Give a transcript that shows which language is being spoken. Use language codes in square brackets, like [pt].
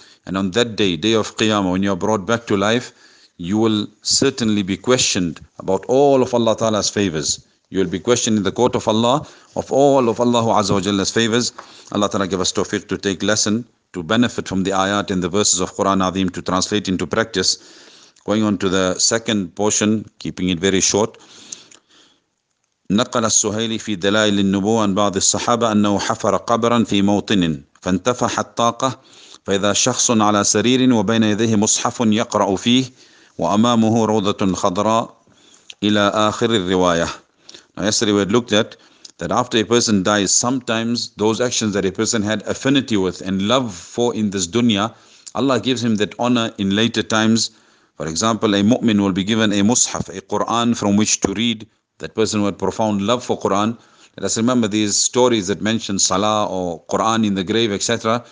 [en] And on that day, day of Qiyamah, when you are brought back to life, you will certainly be questioned about all of Allah Ta'ala's favors. You will be questioned in the court of Allah, of all of Allah Azza wa Jalla's favors. Allah Ta'ala give us tawfiq to take lesson, to benefit from the ayat and the verses of Quran Azim, to translate into practice. Going on to the second portion, keeping it very short. [ar] نقل السهيلي في دلائل النبوة عن بعض الصحابة أنه حفر قبرا في موطن فانتفح الطاقة فإذا شخص على سرير وبين يديه مصحف يقرأ فيه وأمامه روضة خضراء إلى آخر الرواية. [en] Now yesterday we had looked at that after a person dies, sometimes those actions that a person had affinity with and love for in this dunya, Allah gives him that honor in later times. For example, a mu'min will be given a mushaf, a Quran from which to read. That person who had profound love for Quran. Let us remember these stories that mention Salah or Quran in the grave, etc.